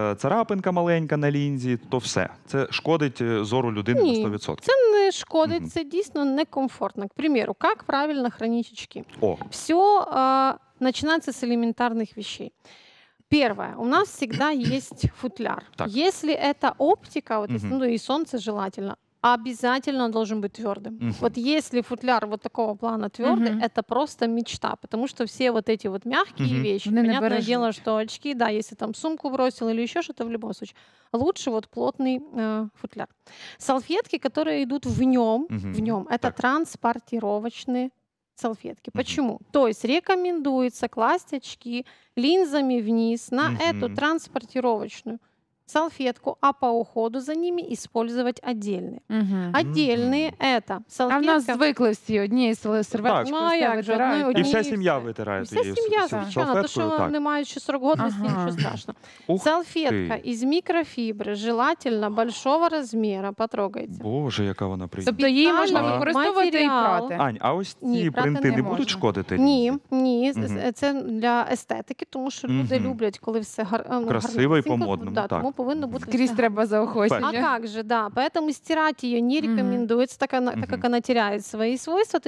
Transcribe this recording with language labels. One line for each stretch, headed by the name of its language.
Ukrainian: царапинка маленька на лінзі, то все. Це шкодить зору людини Ні, на 100%. Це не шкодить, це дійсно некомфортно.
Russian: К примеру,
Ukrainian: як правильно хранити очки? О. Все починається з елементарних речей.
Russian: Первое. У нас всегда есть футляр. Так. Если это оптика, вот, ну и солнце желательно, обязательно он должен быть твердым. Вот если футляр вот такого плана твердый, это просто мечта, потому что все вот эти вот мягкие вещи, они понятное дело, что очки, да, если там сумку бросил или еще что-то, в любом случае, лучше вот плотный футляр. Салфетки, которые идут в нем, это так. Транспортировочные салфетки. Почему? То есть рекомендуется класть очки линзами вниз на эту транспортировочную салфетку, а по уходу за ними использовать отдельные. Отдельные это салфетка... А в нас
Ukrainian: звыкли
Russian: все одни салфетки. Моя же, одни и вся семья вытирает. Вся семья, совершенно. То, что нема еще срок годности, ничего страшного. Салфетка из микрофибры, желательно большого размера, потрогайте.
Ukrainian: Боже, яка вона приятна. Тобто її можна використовувати і прати. Ань, а ось ці принти не будуть шкодити? Ні, ні, це для естетики, тому що люди люблять, коли все гарно. Красиво і по-модному, так. Тому повинно бути скрізь все. Треба заохотити. А як же, да.
Russian: Поэтому
Ukrainian: стирати її не рекомендується, так як вона
Russian: теряє свої свойства.